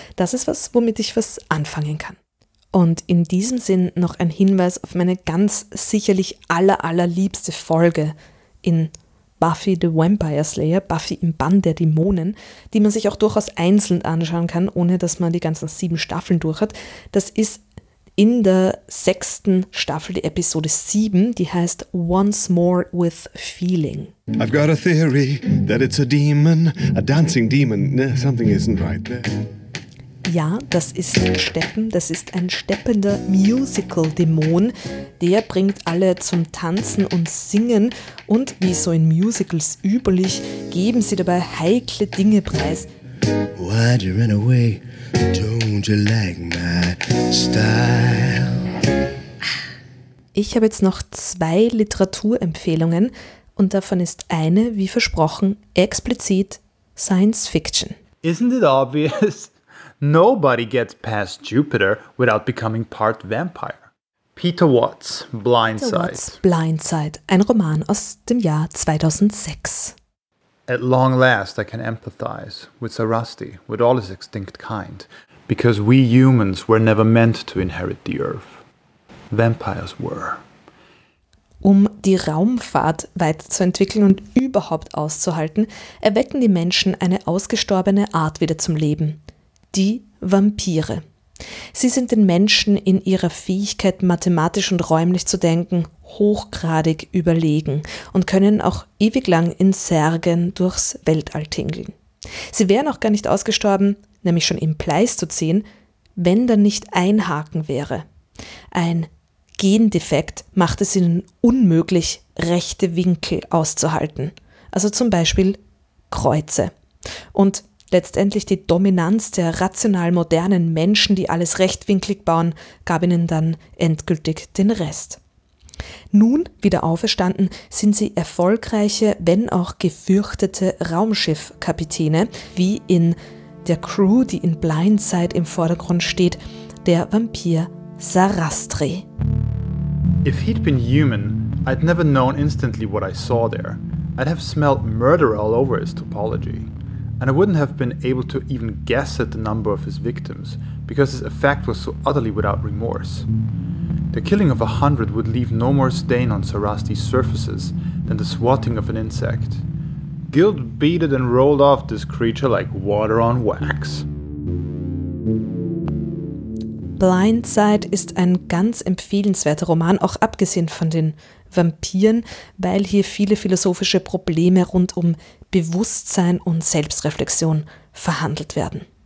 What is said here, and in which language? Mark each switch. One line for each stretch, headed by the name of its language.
German: Das ist was, womit ich was anfangen kann. Und in diesem Sinn noch ein Hinweis auf meine ganz sicherlich allerliebste Folge in Buffy the Vampire Slayer, Buffy im Bann der Dämonen, die man sich auch durchaus einzeln anschauen kann, ohne dass man die ganzen 7 Staffeln durch hat. Das ist in der 6. Staffel, die Episode 7, die heißt Once More with Feeling.
English: I've got a theory that it's a demon, a dancing demon, something isn't right there.
German: Ja, das ist Steppen, das ist ein steppender Musical-Dämon. Der bringt alle zum Tanzen und Singen und, wie so in Musicals üblich, geben sie dabei heikle Dinge preis.
English: Why do you run away? Don't you like my style?
German: Ich habe jetzt noch 2 Literaturempfehlungen und davon ist eine, wie versprochen, explizit Science Fiction.
English: Isn't it obvious? Nobody gets past Jupiter without becoming part vampire.
German: Peter Watts, Blindside. Peter Watts, Blindside, ein Roman aus dem Jahr 2006.
English: At long last I can empathize with Sir Rusty, with all his extinct kind, because we humans were never meant to inherit the earth. Vampires were.
German: Um die Raumfahrt weiterzuentwickeln und überhaupt auszuhalten, erwecken die Menschen eine ausgestorbene Art wieder zum Leben. Die Vampire. Sie sind den Menschen in ihrer Fähigkeit, mathematisch und räumlich zu denken, hochgradig überlegen und können auch ewig lang in Särgen durchs Weltall tingeln. Sie wären auch gar nicht ausgestorben, nämlich schon im Pleistozän, wenn da nicht ein Haken wäre. Ein Gendefekt macht es ihnen unmöglich, rechte Winkel auszuhalten. Also zum Beispiel Kreuze. Und letztendlich die Dominanz der rational modernen Menschen, die alles rechtwinklig bauen, gab ihnen dann endgültig den Rest. Nun, wieder auferstanden, sind sie erfolgreiche, wenn auch gefürchtete Raumschiffkapitäne, wie in der Crew, die in Blindside im Vordergrund steht, der Vampir Sarastri.
English: If he'd been human, I'd never known instantly what I saw there. I'd have smelled murder all over his topology. And I wouldn't have been able to even guess at the number of his victims, because his effect was so utterly without remorse. The killing of 100 would leave no more stain on Sarasti's surfaces than the swatting of an insect. Guilt beaded and rolled off this creature like water on wax.
German: Blindside ist ein ganz empfehlenswerter Roman, auch abgesehen von den Vampiren, weil hier viele philosophische Probleme rund um Bewusstsein und Selbstreflexion verhandelt werden.